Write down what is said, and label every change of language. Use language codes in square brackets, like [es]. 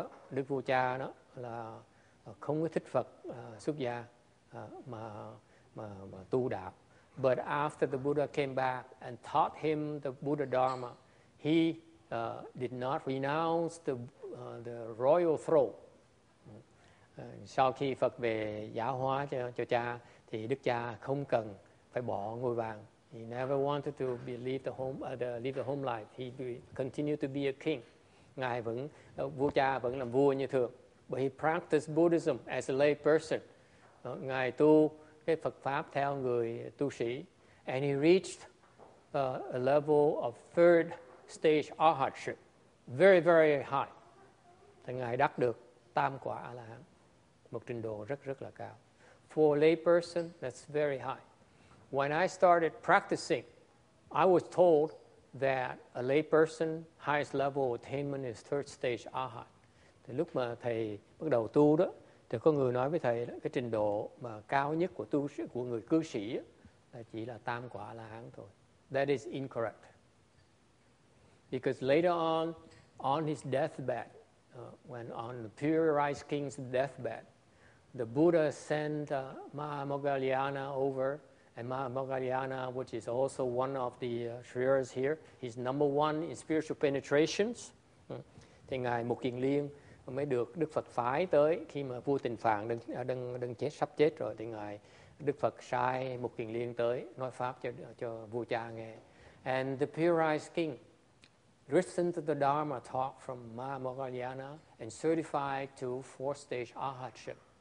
[vi] Đức vua cha đó là không có thích Phật xuất gia mà tu đạo. [en] But after the Buddha came back and taught him the Buddha Dharma, he did not renounce the royal throne. [vi] Sau khi Phật về giáo hóa cho cha, thì đức cha không cần phải bỏ ngôi vàng. [en] He never wanted to leave the home life. He continued to be a king. [vi] Ngài vẫn vua cha vẫn làm vua như thường. [en] But he practiced Buddhism as a lay person. [vi] Ngài tu cái Phật pháp theo người tu sĩ, [en] and he reached a level of third stage arhatship, very very high. [vi] Thì ngài đắc được tam quả a la hán, một trình độ rất rất là cao. [en] For a lay person, that's very high. When I started practicing, I was told that a lay person highest level attainment is third stage arhat. [vi] Thì lúc mà thầy bắt đầu tu đó, thì có người nói với thầy đó, cái trình độ mà cao nhất của tu sĩ, của người cư sĩ đó, là chỉ là tam quả la hán thôi. [en] That is incorrect. Because later on his deathbed, on the Pure Rice King's deathbed, the Buddha sent Mahamoggallana over, and Mahamoggallana, which is also one of the shriras here, he's number one in spiritual penetrations. [vi] Thì ngài Mục Kiền Liên mới được Đức Phật phái tới khi mà vua Tịnh Phạn đang chết, sắp chết rồi, thì ngài Đức Phật sai Mục Kiền Liên tới nói pháp cho vua cha nghe. [en] And the Pure Rice King listened to the Dharma talk from Mahamoggallana and certified to four stage arhatship.